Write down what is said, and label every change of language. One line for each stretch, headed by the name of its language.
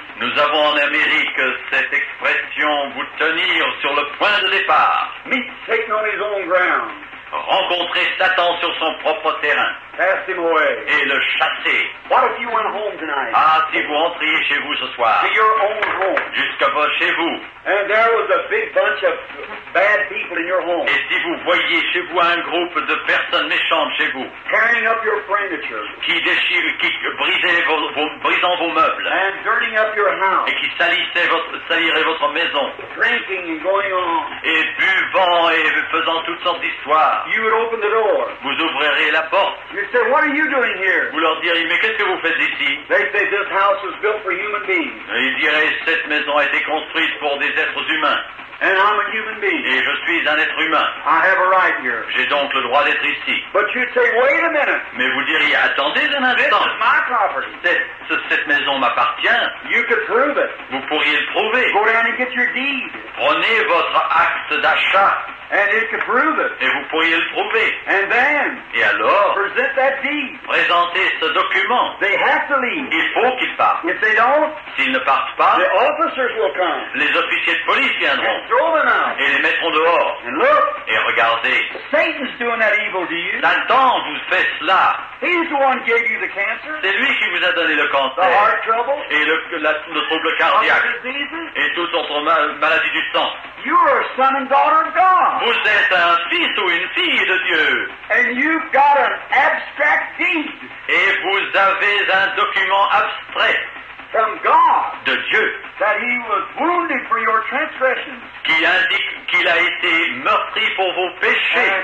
French: Nous avons en Amérique cette expression, vous tenir sur le point de départ.
English: Meet Satan on his own ground.
French: Rencontrer Satan sur son propre terrain.
English: Pass him away.
French: Et le chasser.
English: What if you went home tonight?
French: Ah, si vous entriez chez vous ce soir.
English: To your own home.
French: Jusqu'à vos chez vous.
English: And there was a big bunch of bad people in your home.
French: Et si vous voyez chez vous un groupe de personnes méchantes chez vous.
English: Tearing up your furniture.
French: Qui déchire, qui brisait brisant vos meubles.
English: And dirtying up your house.
French: Et qui salirait votre maison.
English: Drinking and going on.
French: Et buvant et faisant toutes sortes d'histoires.
English: You would open the door.
French: Vous ouvrirez la porte.
English: You They say, what are you doing here?
French: Vous leur direz, mais qu'est-ce que vous faites ici?
English: They say, this house was built for human beings.
French: Ils diraient, cette maison a été construite pour des êtres humains.
English: And I'm a human being.
French: Et je suis un être humain.
English: I have a right here.
French: J'ai donc le droit d'être ici.
English: But you'd say, wait a minute.
French: Mais vous diriez, attendez un instant.
English: This is my property.
French: Cette maison m'appartient.
English: You could prove it.
French: Vous pourriez le prouver.
English: Go down and get your deed.
French: Prenez votre acte d'achat.
English: And it could prove it.
French: Et vous pourriez le prouver.
English: And then,
French: et alors,
English: present that deed.
French: Présentez ce document.
English: They have to leave.
French: Il faut qu'ils partent.
English: If they don't,
French: s'ils ne partent pas,
English: the officers will come.
French: Les officiers de police viendront.
English: And throw them out.
French: Et les mettront dehors.
English: And look,
French: et regardez.
English: Satan's doing that evil to you.
French: Satan vous fait cela.
English: He's the one gave you the cancer.
French: C'est lui qui vous a donné le cancer.
English: The heart trouble.
French: Et le trouble cardiaque.
English: Other diseases.
French: Et toutes autres maladies du sang.
English: You are a son and daughter of God.
French: Vous êtes un fils ou une fille de Dieu.
English: And you've got an abstract deed.
French: Et vous avez un document abstrait.
English: From God.
French: De Dieu.
English: That he was wounded for your transgressions.
French: Qui indique qu'il a été meurtri pour vos péchés.